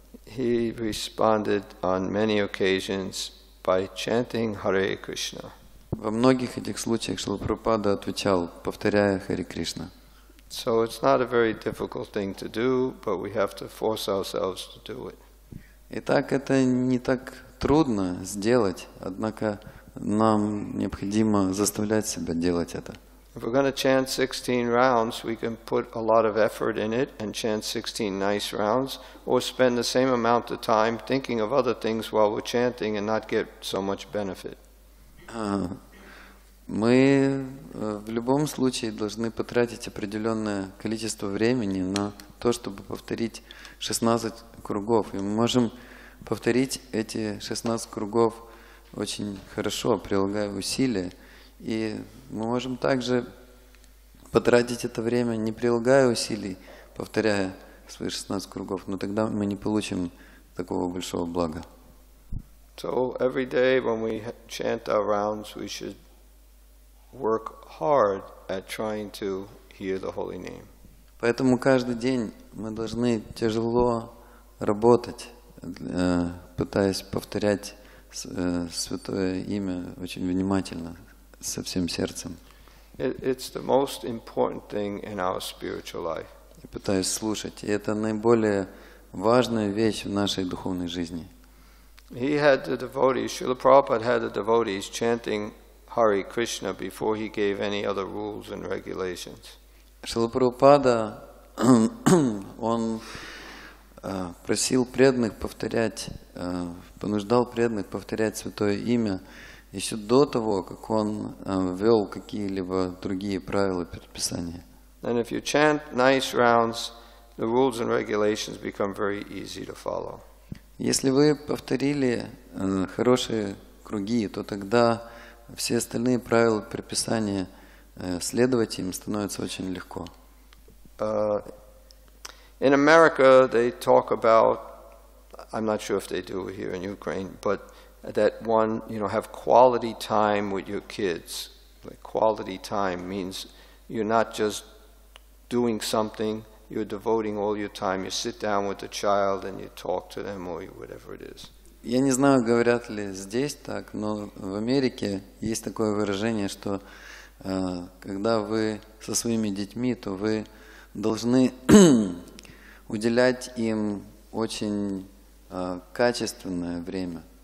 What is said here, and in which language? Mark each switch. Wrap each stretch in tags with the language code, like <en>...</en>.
<en>He responded on many occasions by chanting Hare Krishna.</en> <ru>Во многих этих случаях Шрила Прабхупада отвечал, повторяя Хари Кришна.</ru> <en>So it's not a very difficult thing to do, but we have to force ourselves to do it.</en> <ru>Итак, это не так трудно сделать, однако нам необходимо заставлять себя делать это.</ru> <en>If we're going to chant 16 rounds, we can put a lot of effort in it and chant 16 nice rounds, or spend the same amount of time thinking of other things while we're chanting and not get so much benefit.</en> <ru>Мы в любом случае должны потратить определенное количество времени на то, чтобы повторить 16 кругов. И мы можем повторить эти 16 кругов очень хорошо, прилагая усилия. И мы можем также потратить это время, не прилагая усилий, повторяя свои 16 кругов. Но тогда мы не получим такого большого блага.</ru> <en>So every day when we chant our rounds, we should work hard at trying to hear the holy name.</en> <ru>Поэтому каждый день мы должны тяжело работать, пытаясь повторять святое имя очень внимательно, со всем сердцем.</ru> <en>It's the most important thing in our spiritual life.</en> <ru>И пытаясь слушать, это наиболее важная вещь в нашей духовной жизни.</ru> <en>He had the devotees, Srila Prabhupada had the devotees chanting Hare Krishna before he gave any other rules and regulations.</en> <ru>Шрила Прабхупада, он просил преданных повторять, понуждал преданных повторять святое имя еще до того, как он ввел какие-либо другие правила предписания.</ru> <en>And if you chant nice rounds, the rules and regulations become very easy to follow.</en> <ru>Если вы повторили хорошие круги, то тогда все остальные правила предписания, следовать им становится очень легко.</ru> <en>In America they talk about, I'm not sure if they do here in Ukraine, but that one, you know, have quality time with your kids. Like quality time means you're not just doing something. You're devoting all your time. You sit down with the child and you talk to them or whatever it is.</en> <ru>Я не знаю, говорят ли здесь так, но в Америке есть такое выражение, что когда вы со своими детьми, то вы должны уделять им очень качественное время.</ru>